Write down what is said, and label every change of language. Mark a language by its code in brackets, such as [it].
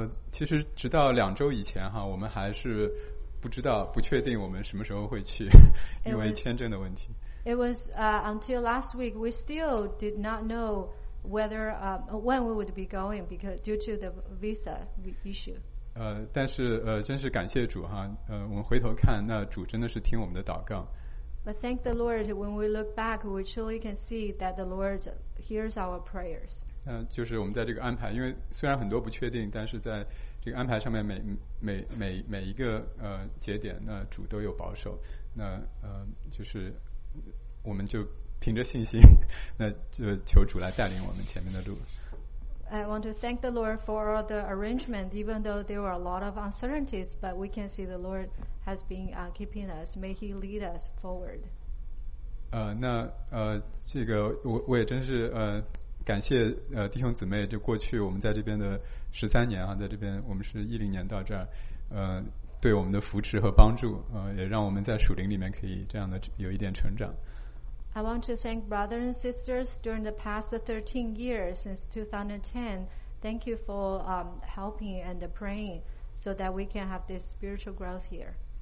[zh] 其实直到两周以前哈，我们还是不知道、不确定我们什么时候会去，因为签证的问题。 [en] It was until last week, we still did not know whether when we would be going because due to the visa issue. [zh] 但是真是感谢主哈，我们回头看，那主真的是听我们的祷告。 [en] But thank the Lord, when we look back, we truly can see that the Lord hears our prayers. [zh] 就是我们在这个安排，因为虽然很多不确定，但是在这个安排上面每一个节点，那主都有保守。那就是我们就凭着信心，那就求主来带领我们前面的路。 [en] I want to thank the Lord for all the arrangement, even though there were a lot of uncertainties, but we can see the Lord has been keeping us. May He lead us forward. [zh] 这个我也真是感谢弟兄姊妹，就过去我们在这边的13年啊，在这边我们是2010年到这儿，对我们的扶持和帮助，也让我们在属灵里面可以这样的有一点成长。 [en] I want to thank brothers and sisters during the past 13 years since 2010. Thank you for helping and praying so that we can have this spiritual growth here.